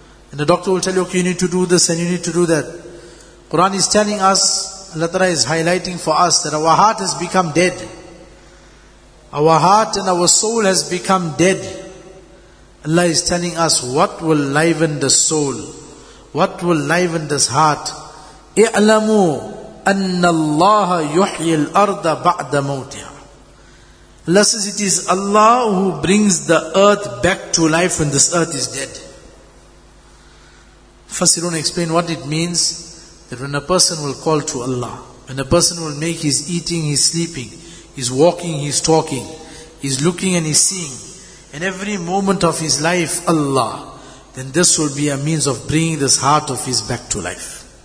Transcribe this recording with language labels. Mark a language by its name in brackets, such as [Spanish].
[English] And the doctor will tell you, okay, you need to do this and you need to do that. Quran is telling us, Allah Ta'ala is highlighting for us that our heart has become dead. Our heart and our soul has become dead. Allah is telling us, what will liven the soul? What will liven this heart? [Arabic] اعلموا أن الله يحيي الأرض بعد موتها. [English] Allah says, it is Allah who brings the earth back to life when this earth is dead. Fasirun explain what it means, that when a person will call to Allah, when a person will make his eating, his sleeping, his walking, his talking, his looking and his seeing, and every moment of his life, Allah, then this will be a means of bringing this heart of his back to life.